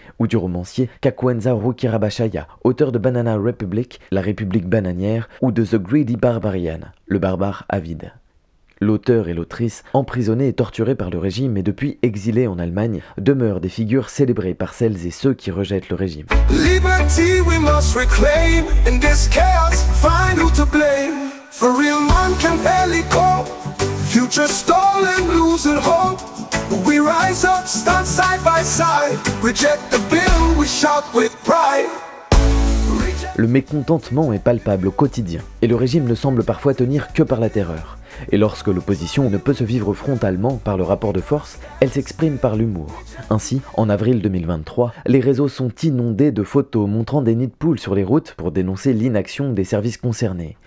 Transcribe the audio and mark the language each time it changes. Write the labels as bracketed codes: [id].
[fr] Ou du romancier Kakwenza Rukirabashaya, auteur de Banana Republic, la république bananière, ou de The Greedy Barbarian, le barbare avide. L'auteur et l'autrice, emprisonnés et torturés par le régime et depuis exilés en Allemagne, demeurent des figures célébrées par celles et ceux qui rejettent le régime. [en] Liberty we must reclaim, in this chaos, find who to blame. A real man can barely cope. Future stolen, losing hope. We rise up, stand side by side. Reject the bill, we shout with pride. [fr] Le mécontentement est palpable au quotidien, et le régime ne semble parfois tenir que par la terreur. Et lorsque l'opposition ne peut se vivre frontalement par le rapport de force, elle s'exprime par l'humour. Ainsi, en avril 2023, les réseaux sont inondés de photos montrant des nids de poules sur les routes pour dénoncer l'inaction des services concernés.